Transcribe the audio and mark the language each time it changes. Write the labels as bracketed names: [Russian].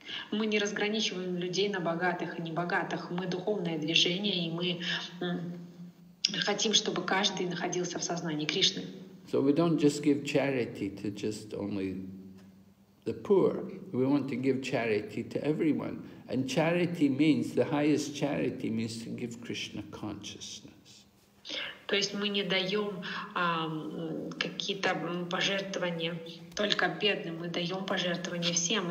[Russian] Мы не разграничиваем людей на богатых и небогатых. Мы духовное движение, и мы хотим, чтобы каждый находился в сознании Кришны. [English] So we don't just give charity to just only the poor. We want to give charity to everyone. And charity means, the highest charity means to give Krishna consciousness. [Russian] То есть мы не даем какие-то пожертвования только бедным, мы даем пожертвования всем.